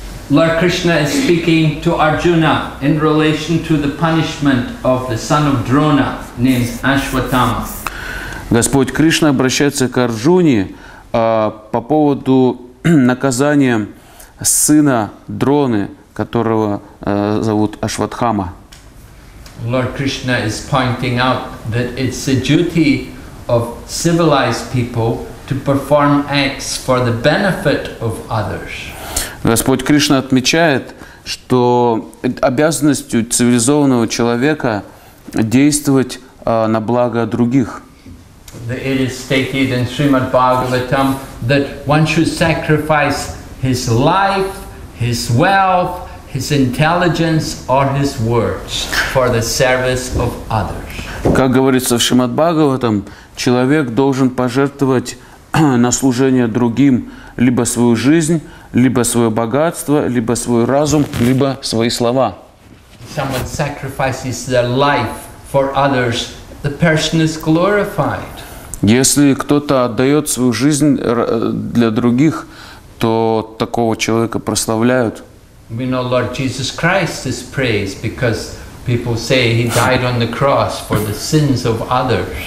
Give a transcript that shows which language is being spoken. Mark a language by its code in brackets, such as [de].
[en] Lord Krishna is speaking to Arjuna in relation to the punishment of the son of Drona named Ashwatthama. [ru] Господь Кришна обращается к Арджуне по поводу наказания сына Дроны, которого зовут Ашватхама. [en] Lord Krishna is pointing out that it's the duty of civilized people to perform acts for the benefit of others. [ru] Господь Кришна отмечает, что обязанностью цивилизованного человека действовать на благо других. [en] It is stated in Srimad Bhagavatam that one should sacrifice his life, his wealth, his intelligence, or his words for the service of others. [ru] Как говорится в Шримад Бхагаватам, человек должен пожертвовать на служение другим либо свою жизнь, либо свое богатство, либо свой разум, либо свои слова. [en] Someone sacrifices their life for others, the person is glorified. [ru] Если кто-то отдает свою жизнь для других, то такого человека прославляют. [en] We know Lord Jesus Christ is praised because people say he died on the cross for the sins of others.